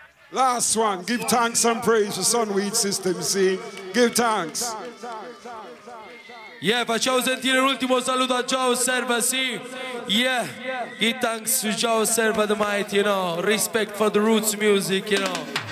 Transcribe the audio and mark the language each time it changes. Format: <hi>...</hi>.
<en>Last one, give thanks and praise to Sunweed System, see? Give thanks.</en> <it>Yeah, facciamo sentire l'ultimo saluto a Joe Serva, sì.</it> <en>Yeah, give thanks to Joe Serva the Mighty, you know. Respect for the roots music, you know.</en>